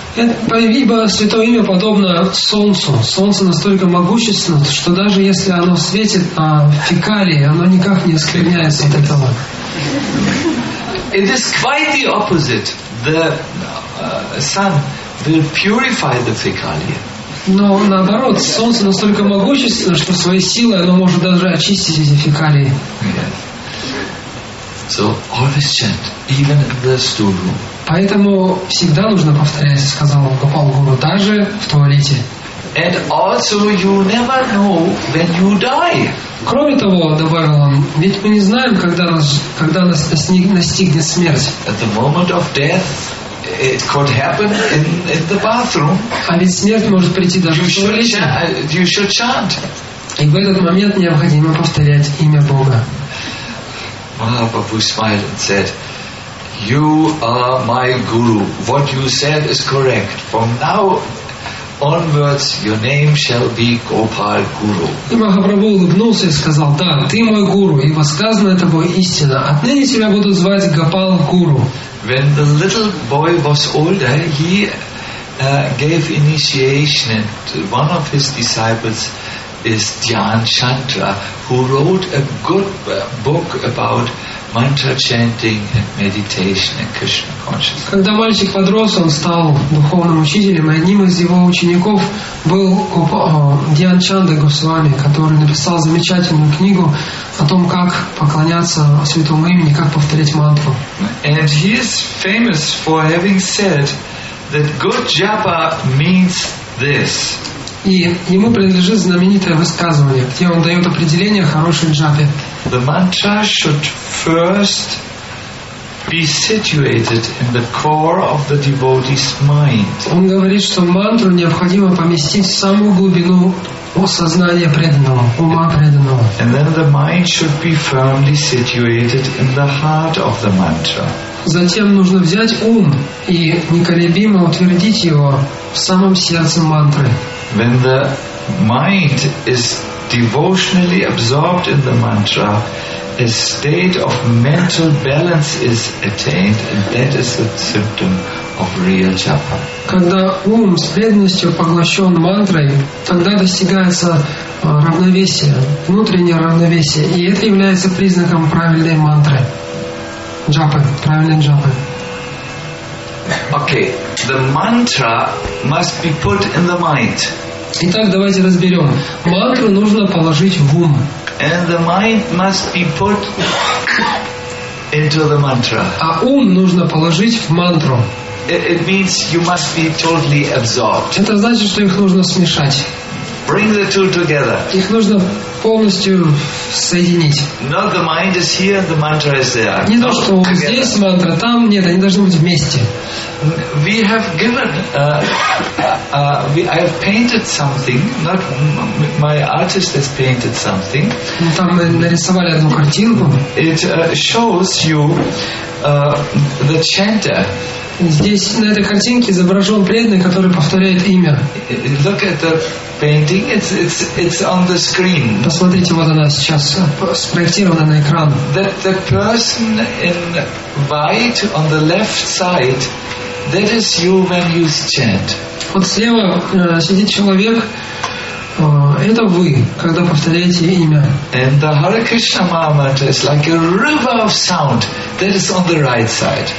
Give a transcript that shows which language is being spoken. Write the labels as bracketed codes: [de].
[ru] Ибо святое имя подобно солнцу. Солнце настолько могущественно, что даже если оно светит на фекалии, оно никак не оскверняется от этого. [en] It is quite the opposite. The sun will purify the fecalia. [ru] Но наоборот, солнце настолько могущественно, что своей силой оно может даже очистить эти фекалии. [en] Yes. So always chant, even in the stool room. [ru] Поэтому всегда нужно повторять, сказал Гопал Гуру, даже в туалете. [en] And also you never know when you die. [ru] Кроме того, добавил он, ведь мы не знаем, когда нас настигнет смерть. [en] At the moment of death, it could happen in the bathroom. [ru] А ведь смерть может прийти даже в туалете. [en] You should chant. [ru] И в этот момент необходимо повторять имя Бога. [en] Mahaprabhu smiled and said, "You are my guru. What you said is correct. From now onwards, your name shall be Gopal Guru." [ru] И Махапрабху улыбнулся и сказал, "Да, ты мой гуру, ибо сказано тобой истина. Отныне тебя будут звать Гопал Гуру." [en] When the little boy was older, he gave initiation, and one of his disciples is Dhyanchandra, who wrote a good book about mantra chanting and meditation and Krishna consciousness. [ru] Когда мальчик подрос, он стал духовным учителем, и одним из его учеников был Дьян Чанда Госвами, который написал замечательную книгу о том, как поклоняться святому имени, как повторять мантру. [en] And he is famous for having said that good japa means this. [ru] И ему принадлежит знаменитое высказывание, где он дает определение хорошей джапе. [en] The mantra should first be situated in the core of the devotee's mind. [ru] Он говорит, что мантру необходимо поместить в самую глубину сознания преданного, ума преданного. [en] And then the mind should be firmly situated in the heart of the mantra. [ru] Затем нужно взять ум и неколебимо утвердить его в самом сердце мантры. [en] When the mind is devotionally absorbed in the mantra, a state of mental balance is attained, and that is a symptom of real japa. [ru] Когда ум с преданностью поглощен мантрой, тогда достигается равновесие, внутреннее равновесие, и это является признаком правильной мантры. Джапа, правильный джапа. [en] Okay, the mantra must be put in the mind. [ru] Итак, давайте разберем. Мантру нужно положить в ум. [en] And the mind must be put into the mantra. [ru] А ум нужно положить в мантру. [en] It means you must be totally absorbed. [ru] Это значит, что их нужно смешать. [en] Bring the two together. [ru] Их нужно полностью соединить. [en] Not the mind is here, the mantra is there. [ru] Не то, что здесь мантра, там нет, они должны быть вместе. [en] We have given, I have painted something. Not my artist has painted something. [ru] Ну, там мы нарисовали одну картинку. [en] It shows you the chanter. [ru] Здесь на этой картинке изображен преданный, который повторяет имя. [en] Look at the painting. It's on the screen. [ru] Посмотрите, вот она сейчас спроектирована на экран. [en] The person in white on the left side, that is you when you chant. [ru] Вот слева сидит человек. Это вы, когда повторяете имя. [en] And the Hare Krishna mantra is like a river of sound that is on the right side.